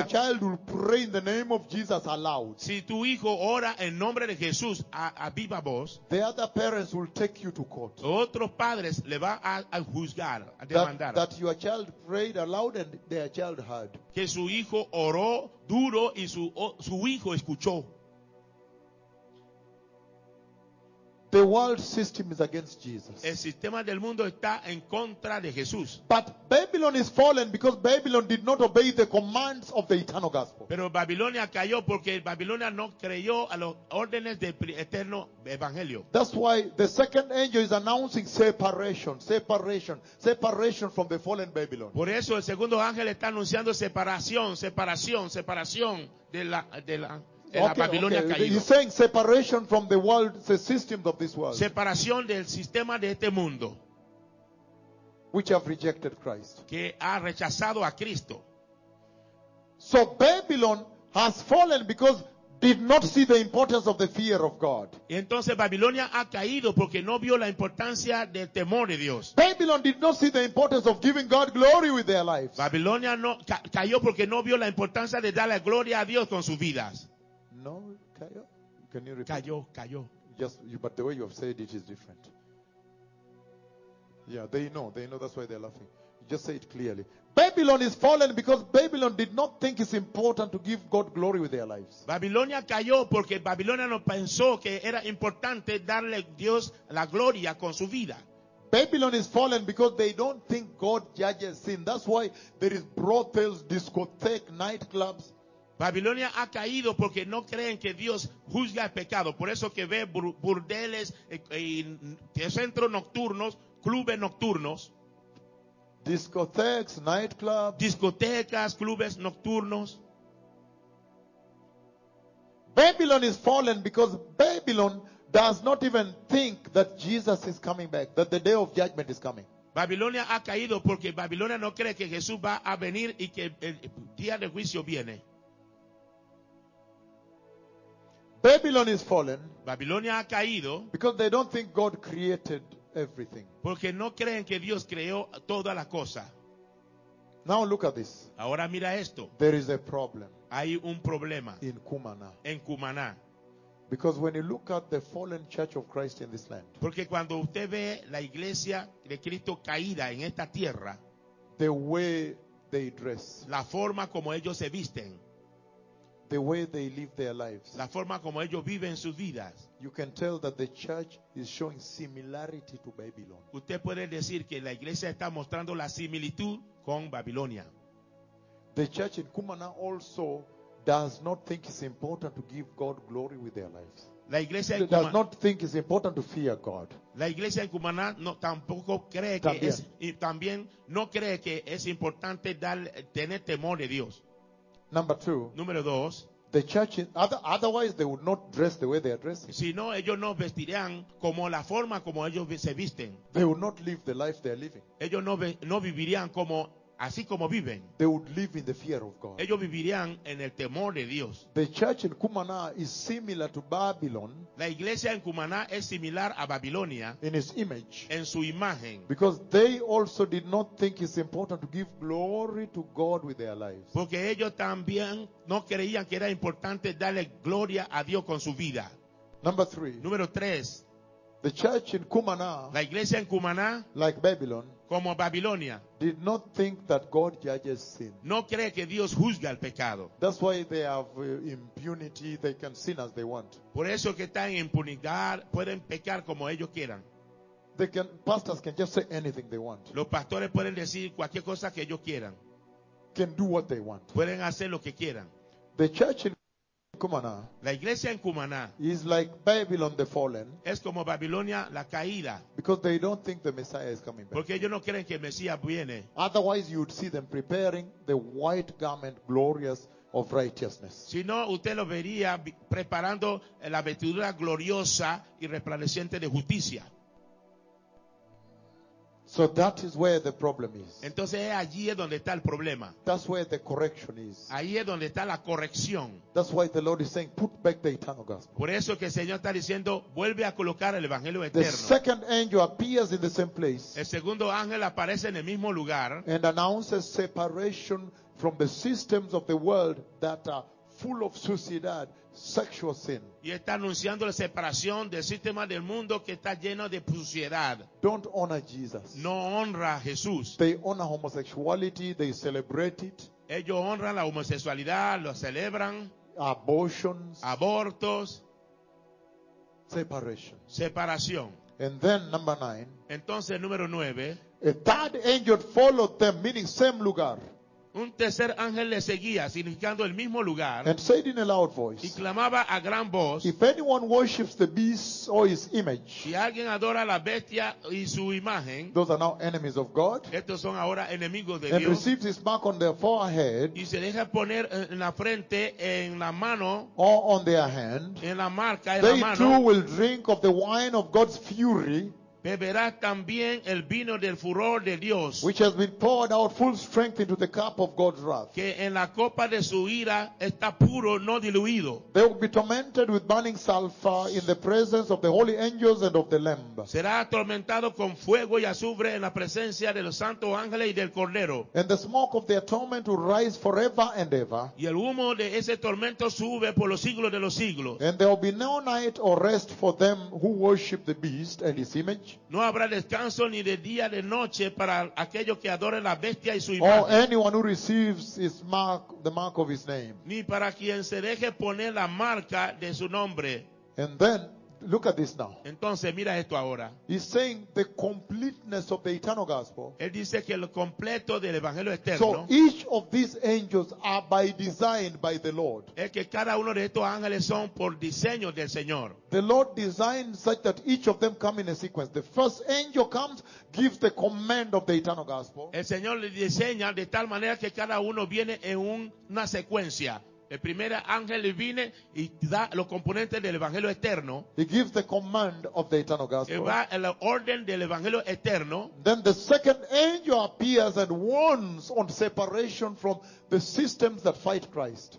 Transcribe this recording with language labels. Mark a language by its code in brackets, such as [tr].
[en] If your child will pray in the name of Jesus aloud. [es] Si tu hijo ora en nombre de Jesús a viva voz. [en] The other parents will take you to court. [es] Otros padres le va a juzgar, a demandar. [en] That your child prayed aloud and their child heard. [es] Que su hijo oró duro y su hijo escuchó. [en] The world system is against Jesus. [es] El sistema del mundo está en contra de Jesús. [en] But Babylon is fallen because Babylon did not obey the commands of the eternal gospel. [es] Pero Babilonia cayó porque Babilonia no creyó a los órdenes del eterno evangelio. [en] That's why the second angel is announcing separation, separation, separation from the fallen Babylon. [es] Por eso el segundo ángel está anunciando separación, separación, separación de la [en] Okay. He's saying separation from the world, the systems of this world. [es] Separación del sistema de este mundo. [en] Which have rejected Christ. [es] Que ha rechazado a Cristo. [en] So Babylon has fallen because did not see the importance of the fear of God. [es] Entonces Babilonia ha caído porque no vio la importancia del temor de Dios. [en] Babylon did not see the importance of giving God glory with their lives. [es] Babilonia no cayó porque no vio la importancia de darle gloria a Dios con sus vidas. No, cayó. [en] Can you repeat? [es] Cayó, cayó. [en] Yes, but the way you have said it is different. Yeah, they know, that's why they're laughing. Just say it clearly. Babylon is fallen because Babylon did not think it's important to give God glory with their lives. [es] Babilonia cayó porque Babilonia no pensó que era importante darle Dios la gloria con su vida. [en] Babylon is fallen because they don't think God judges sin. That's why there is brothels, discotheques, nightclubs. [es] Babilonia ha caído porque no creen que Dios juzga el pecado. Por eso que ve burdeles, centros nocturnos, clubes nocturnos. [en] Discotheques, nightclubs. [es] Discotecas, clubes nocturnos. [en] Babylon is fallen because Babylon does not even think that Jesus is coming back, that the day of judgment is coming. [es] Babilonia ha caído porque Babilonia no cree que Jesús va a venir y que el día de juicio viene. [en] Babylon is fallen. [es] Babilonia ha caído. [en] Because they don't think God created everything. [es] Porque no creen que Dios creó toda la cosa. [en] Now look at this. [es] Ahora mira esto. [en] There is a problem. [es] Hay un problema. [en] In Cumaná. [es] En Cumaná. [en] Because when you look at the fallen church of Christ in this land. [es] Porque cuando usted ve la iglesia de Cristo caída en esta tierra. [en] The way they dress. [es] La forma como ellos se visten. [en] The way they live their lives. [es] La forma como ellos viven sus vidas. [en] You can tell that the church is showing similarity to Babylon. [es] Usted puede decir que la iglesia está mostrando la similitud con Babilonia. [en] The church in Cumaná also does not think it's important to give God glory with their lives. [es] La iglesia en [en] Cumaná does not think it's important to fear God. [es] La iglesia en Cumaná no tampoco cree que también. Es y también no cree que es importante tener temor de Dios. [en] Number two. [es] Número dos. [en] The church is, otherwise they would not dress the way they are dressing. [es] Si no, ellos no vestirían como la forma como ellos se visten. [en] They would not live the life they are living. [es] Ellos no vivirían como así como viven, [en] they would live in the fear of God. [es] Ellos vivirían en el temor de Dios. [en] The church in Cumaná is similar to Babylon. [es] La iglesia en Cumaná es similar a Babilonia. [en] In its image. [es] En su imagen. [en] Because they also did not think it's important to give glory to God with their lives. [es] Porque ellos también no creían que era importante darle gloria a Dios con su vida. [en] Number three. [es] Número tres. [en] The church in Cumaná, [es] la iglesia en Cumaná, [en] like Babylon, [es] como Babilonia, [en] did not think that God judges sin. [es] No cree que Dios juzga el pecado. [en] That's why they have impunity; they can sin as they want. [es] Por eso que están en impunidad, pueden pecar como ellos quieran. [en] They can, pastors can just say anything they want. [es] Los pastores pueden decir cualquier cosa que ellos quieran. [en] Can do what they want. [es] Pueden hacer lo que quieran. [en] The church in Cumaná, [es] la iglesia en Cumaná, [en] is like Babylon the fallen, [es] es como Babilonia la caída, [en] because they don't think the Messiah is coming back. [es] Porque ellos no creen que el Mesías viene. [en] Otherwise, you would see them preparing the white garment, glorious of righteousness. [es] Si no, usted lo vería preparando la vestidura gloriosa y resplandeciente de justicia. [en] So that is where the problem is. [es] Entonces allí es donde está el problema. [en] That's where the correction is. [es] Ahí es donde está la corrección. [en] That's why the Lord is saying, put back the eternal gospel. [es] Por eso que el Señor está diciendo, vuelve a colocar el evangelio eterno. [en] The second angel appears in the same place. [es] El segundo ángel aparece en el mismo lugar. [en] And announces separation from the systems of the world that are full of suciedad, sexual sin. [es] Y está anunciando la separación del sistema del mundo que está lleno de suciedad. [en] Don't honor Jesus. [es] No honra a Jesús. [en] They honor homosexuality, they celebrate it. [es] Ellos honran la homosexualidad, lo celebran. [en] Abortions. [es] Abortos. [en] Separation. [es] Separación. [en] And then number nine. [es] Entonces número nueve. [en] A third angel followed them, meaning same lugar. [es] Un tercer ángel le seguía, significando el mismo lugar. [en] And said in a loud voice, [es] y clamaba a gran voz. [en] If anyone worships the beast or his image, [es] si alguien adora la bestia y su imagen, [en] those are now enemies of God, [es] estos son ahora enemigos de [en] and [es] Dios. [en] And receives his mark on their forehead, [es] y se deja poner en la frente, en la mano, [en] or on their hand, [es] en la marca, en [en] they [es] la mano, [en] too will drink of the wine of God's fury, [es] beberá también el vino del furor de Dios, [en] which has been poured out full strength into the cup of God's wrath, [es] que en la copa de su ira está puro, no diluido. [en] They will be tormented with burning sulfur in the presence of the holy angels and of the Lamb. [es] Será atormentado con fuego y azufre en la presencia de los santos ángeles y del cordero. [en] And the smoke of their torment will rise forever and ever. [es] Y el humo de ese tormento sube por los siglos de los siglos. [en] And there will be no night or rest for them who worship the beast and his image. [es] No habrá descanso ni de día de noche para aquellos que adoren la bestia y su imagen. [en] Or anyone who receives his mark, the mark of his name. [es] Ni para quien se deje poner la marca de su nombre. [en] And then, look at this now. [es] Entonces, mira esto ahora. [en] He's saying the completeness of the eternal gospel. [es] Él dice que el completo del evangelio eterno. [en] So each of these angels are by design by the Lord. [es] Es que cada uno de estos ángeles son por diseño del Señor. [en] The Lord designed such that each of them come in a sequence. The first angel comes, gives the command of the eternal gospel. [es] El Señor le diseña de tal manera que cada uno viene en una secuencia. El primer ángel viene y da los componentes del evangelio eterno. [en] He gives the command of the eternal gospel. [es] Va el orden del evangelio eterno. [en] Then the second angel appears and warns on separation from the systems that fight Christ.